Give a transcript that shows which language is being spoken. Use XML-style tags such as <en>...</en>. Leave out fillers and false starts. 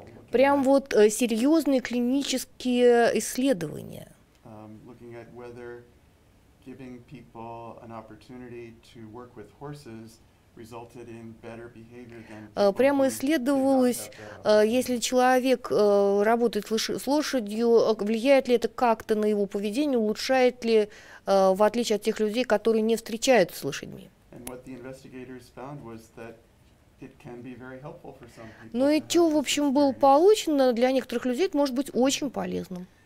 <ru>Прям вот серьезные клинические исследования.</ru> <en>Looking at whether giving people an opportunity to work with horses resulted in better behavior than people who did not have.</en> <ru>Прямо исследовалось, если человек работает с лошадью, влияет ли это как-то на его поведение, улучшает ли, в отличие от тех людей, которые не встречаются с лошадьми. Ну и что, в общем, было получено, для некоторых людей это может быть очень полезным.</ru>